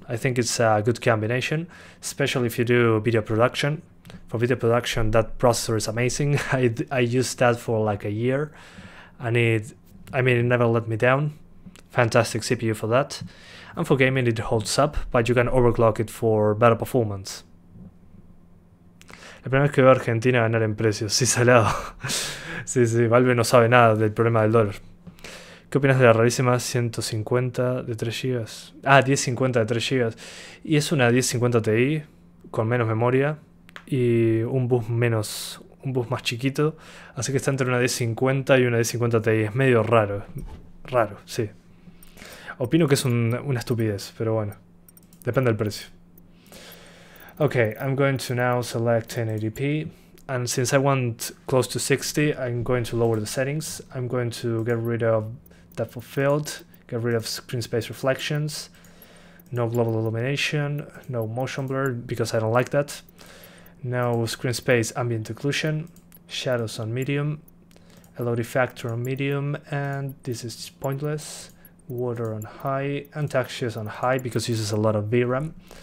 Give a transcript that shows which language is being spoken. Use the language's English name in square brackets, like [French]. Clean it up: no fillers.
[English] I think it's a good combination, especially if you do video production. For video production, that processor is amazing. I used that for like a year. It never let me down. Fantastic CPU for that. And for gaming, it holds up, but you can overclock it for better performance. [Spanish] El problema es que veo a Argentina ganar en precios. Sí, salado. Sí, sí, Valve no sabe nada del problema del dólar. ¿Qué opinas de la rarísima 150 de 3 GB? Ah, 1050 de 3 GB. Y es una 1050 Ti. con menos memoria y un bus menos, un bus más chiquito, así que está entre una D50 y una D50 Ti. Es medio raro, raro, sí. Opino que es una estupidez, pero bueno, depende del precio. [English] Okay, I'm going to now select 1080p, and since I want close to 60, I'm going to lower the settings. I'm going to get rid of depth of field, get rid of screen space reflections, no global illumination, no motion blur, because I don't like that, no screen space ambient occlusion, shadows on medium, LOD factor on medium, and this is pointless, water on high, and textures on high, because it uses a lot of VRAM.